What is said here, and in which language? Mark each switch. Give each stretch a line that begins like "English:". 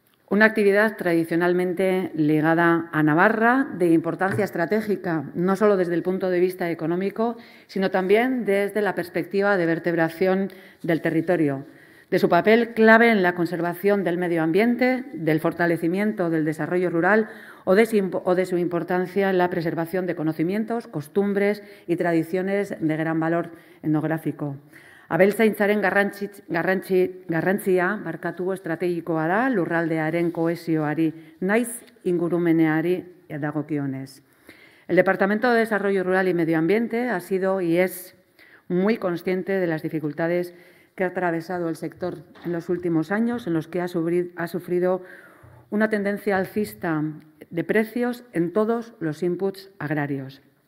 Spanish: Una actividad tradicionalmente ligada a Navarra, de importancia estratégica, no solo desde el punto de vista económico, sino también desde la perspectiva de vertebración del territorio, de su papel clave en la conservación del medio ambiente, del fortalecimiento del desarrollo rural o de su importancia en la preservación de conocimientos, costumbres y tradiciones de gran valor etnográfico.
Basque: Abeltzaintzaren garrantzia barkatu estrategikoa da lurraldearen kohesioari naiz ingurumeneari dagokionez.
Spanish: El Departamento de Desarrollo Rural y Medio Ambiente ha sido y es muy consciente de las dificultades que ha atravesado el sector en los últimos años, en los que ha sufrido una tendencia alcista de precios en todos los inputs agrarios.